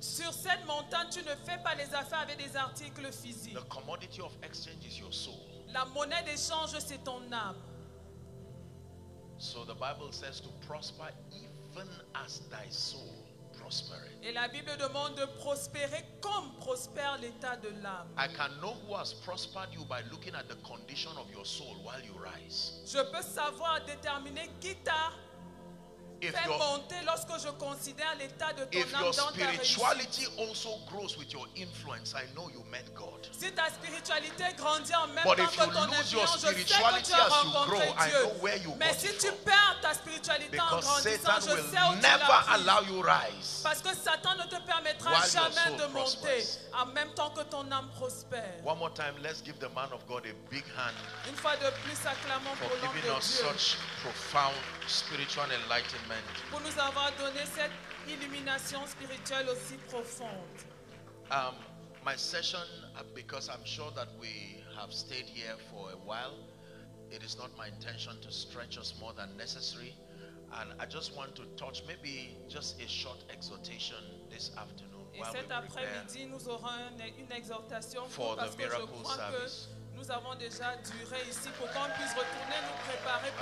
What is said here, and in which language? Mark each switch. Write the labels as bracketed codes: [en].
[fr] Sur cette montagne, tu ne fais pas les affaires avec des articles physiques. [en] The commodity of exchange is your soul. [fr] La monnaie d'échange, c'est ton âme. [en] So the Bible says to prosper even as thy soul prospereth. [fr] Et la Bible demande de prospérer comme prospère l'état de l'âme. [en] I can know who has prospered you by looking at the condition of your soul while you rise. [fr] Je peux savoir déterminer qui t'a fait monter lorsque je considère l'état de ton âme dans ta réussite. [en] If your spirituality also grows with your influence, I know you met God. [fr] Si ta spiritualité grandit en même temps que ton influence, je sais que tu as rencontré Dieu. Mais si tu perds ta spiritualité en grandissant, je sais où tu l'as pris. Parce que Satan ne te permettra jamais de monter en même temps que ton âme prospère. [en] One more time, let's give the man of God a big hand. [fr] Une fois de plus, acclamons pour l'homme de Dieu. [en] For giving us such profound spiritual enlightenment. [fr] Pour nous avoir donné cette illumination spirituelle aussi profonde. [en] My session, because I'm sure that we have stayed here for a while, it is not my intention to stretch us more than necessary, and I just want to touch maybe just a short exhortation this afternoon. [fr] Et cet après-midi, nous aurons une exhortation pour [en] the [fr] parce [en] miracle [fr] que je crois [en] service. [fr] Que nous avons déjà duré ici pour qu'on puisse retourner nous préparer pour